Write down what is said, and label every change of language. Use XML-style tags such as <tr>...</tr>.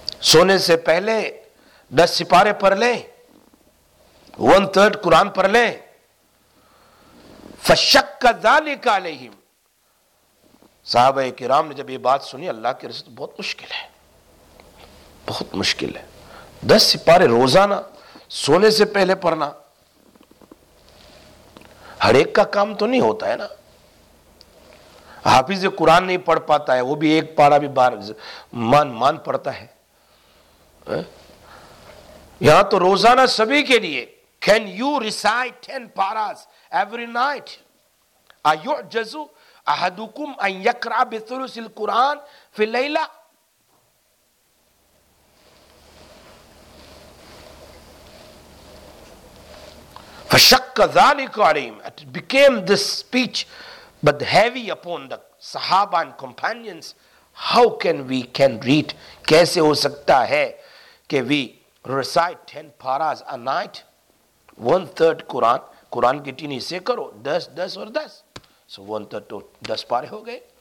<ur>سونے سے پہلے 10 سپارے پڑھ لیں، 1/3 قرآن پڑھ لیں؟</ur> <ar>فَشَكَّ ذَلِكَ عَلَيْهِمْ،</ar> <ur>صحابہ کرام نے جب یہ بات سنی اللہ کے رسول بہت مشکل ہے، بہت مشکل ہے 10 سپارے روزانہ سونے سے پہلے پڑھنا، ہر ایک کا کام تو نہیں ہوتا ہے نا، حافظ قرآن نہیں پڑھ پاتا ہے، وہ بھی ایک پارا بھی بار مان مان پڑھتا ہے، یہاں تو روزانہ سبھی کے لیے.</ur> <en>Can you recite 10 paras every night?</en> <ar>أَيُعْجَزُ أَحَدُكُمْ أَنْ يَقْرَعَ بِثُلُسِ الْقُرْآنِ فِي اللَّيْلَةِ. فَشَقَّ ذَلِكَ عَلَيْهِمْ.</ar> <en>It became this speech, but heavy upon the Sahaba and companions. How can we can read?</en> <ur>کیسے ہو سکتا ہے کہ</ur> <en>we recite 10 paras a night?</en> <ur>1/3 قرآن, قرآن کی تین حصے کرو, 10, 10 اور 10, so 1/3 تو 10 پارے ہو گئے.</ur>